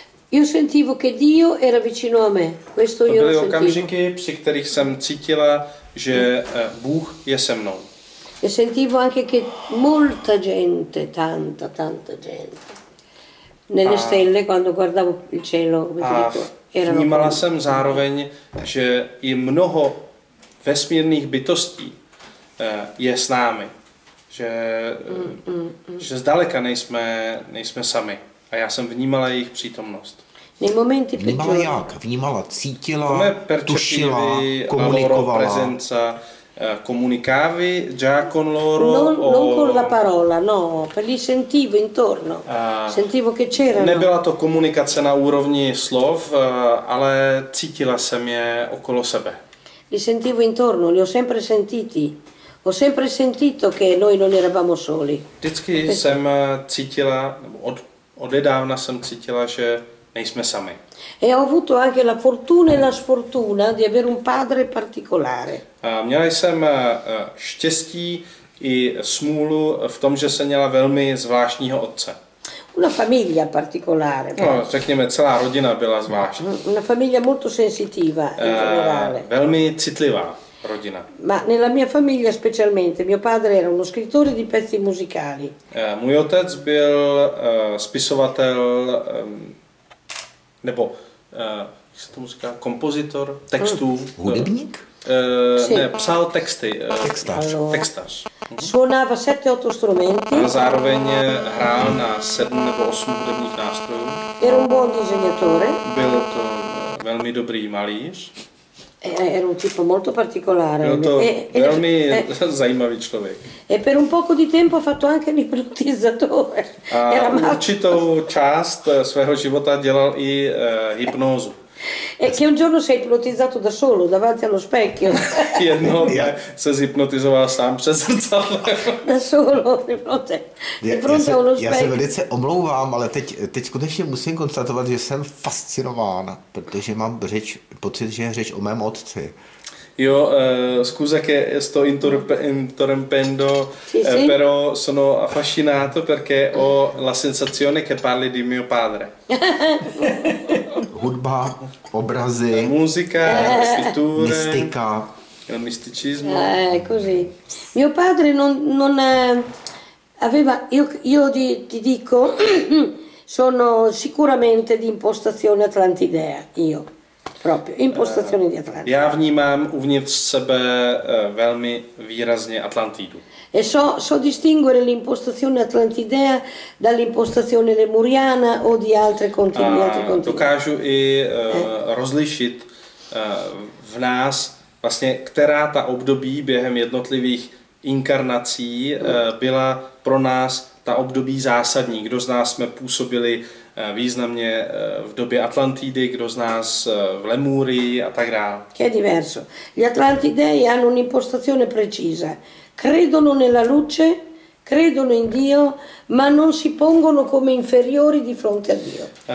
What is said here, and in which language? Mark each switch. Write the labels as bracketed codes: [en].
[it] Io sentivo che Dio era vicino a me. Questo io sentivo. [cs] Okamžiky, při kterých jsem cítila, že Bůh je se mnou. [it] E sentivo anche che molta gente, tanta, tanta gente. Nelle stelle quando guardavo il cielo, [cs] vnímala jsem zároveň, že i mnoho vesmírných bytostí je s námi. Že zdaleka nejsme sami. A já jsem vnímala jejich přítomnost. Vnímala jak? Vnímala, cítila, tušila, komunikovala. [it] Prezenca, comunicavi già con loro? Non con la parola, no, li sentivo intorno, sentivo che c'erano. [cs] Nebyla to komunikace na úrovni slov, ale cítila jsem je okolo sebe. [it] Li sentivo intorno, li ho sempre sentiti. Ho sempre sentito che noi non eravamo soli. [cs] Vždycky jsem cítila, odedávna jsem cítila, že nejsme sami. [it] E ho avuto anche la fortuna e la sfortuna di avere un padre particolare. [cs] Měla jsem štěstí i smůlu v tom, že jsem měla velmi zvláštního otce. [it] Una famiglia particolare. [cs] No, řekněme, celá rodina byla zvláštní. [it] Una famiglia molto sensitiva in generale. [cs] Velmi citlivá rodina. [it] Ma nella mia famiglia specialmente, mio padre era uno scrittore di pezzi musicali. [cs] Můj otec byl spisovatel nebo jak se tomu říká, kompozitor textů. Hudebník? Ne, psal texty. Textař. [it] Suonava 7-8 strumenti. [cs] A zároveň hrál na 7 nebo 8 hudebních nástrojů. [it] Era un buon disegnatore. [cs] Byl to velmi dobrý malíř. [it] Era un tipo molto particolare. [cs] Byl to velmi zajímavý člověk. [it] E per un poco di tempo ha fatto anche l'ipnotizzatore. [cs] A určitou část svého života dělal i hypnózu. [it] E che un giorno sei ipnotizzato da solo davanti allo specchio. [cs] Jedno se zhypnotizoval sám přes zrcadlo. [it] Da solo, di fronte a uno specchio. [cs] Já se velice omlouvám, ale teď skutečně musím konstatovat, že jsem fascinován, protože mám pocit, že je řeč o mém otci. [it] Io scusa che sto interrompendo, però sono affascinato perché ho la sensazione che parli di mio padre. [cs] Hudba, obrazy, [it] musica, scritture, mistica, il misticismo. Così. Mio padre non aveva io ti dico sono sicuramente di impostazione atlantidea io. Proprio, impostazione di Atlantide. [cs] Já vnímám uvnitř sebe velmi výrazně Atlantidu. [it] E so distinguere l'impostazione atlantidea dall'impostazione lemuriana o di altre continenti. [cs] Dokážu i rozlišit v nás vlastně, která ta období během jednotlivých inkarnací byla pro nás ta období zásadní. Kdo z nás jsme působili významně v době Atlantidy, kdo z nás v Lemurii a tak dále. [it] Che è diverso. Gli Atlantidei hanno un'impostazione precisa. Credono nella luce, credono in Dio, ma non si pongono come inferiori di fronte a Dio.